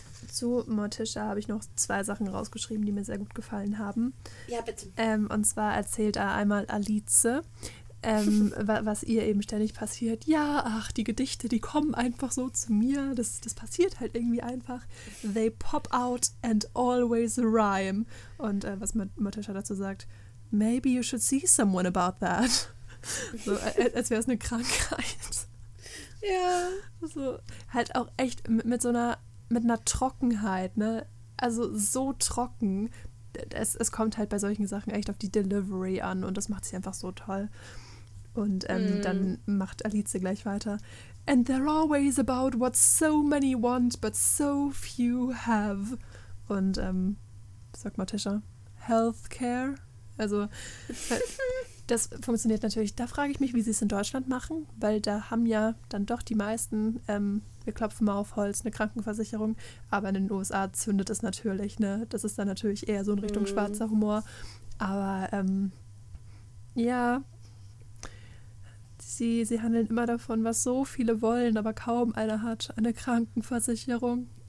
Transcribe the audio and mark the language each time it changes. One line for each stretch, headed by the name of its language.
German: Zu Morticia habe ich noch zwei Sachen rausgeschrieben, die mir sehr gut gefallen haben. Ja, bitte. Und zwar erzählt er einmal Alice, was ihr eben ständig passiert. Ja, ach, die Gedichte, die kommen einfach so zu mir. Das passiert halt irgendwie einfach.
English: They pop out and always rhyme.
German: Und was Morticia dazu sagt,
English: maybe you should see someone about that.
German: So, als wäre es eine Krankheit. Ja. So, halt auch echt mit einer Trockenheit, ne? Also so trocken. Es kommt halt bei solchen Sachen echt auf die Delivery an und das macht sie einfach so toll. Und dann macht Alice gleich weiter.
English: And they're always about what so many want, but so few have.
German: Und sagt Morticia, healthcare? Also das funktioniert natürlich. Da frage ich mich, wie sie es in Deutschland machen, weil da haben ja dann doch die meisten, wir klopfen mal auf Holz, eine Krankenversicherung, aber in den USA zündet es natürlich, ne? Das ist dann natürlich eher so in Richtung schwarzer Humor. Aber ja, sie handeln immer davon, was so viele wollen, aber kaum einer hat eine Krankenversicherung.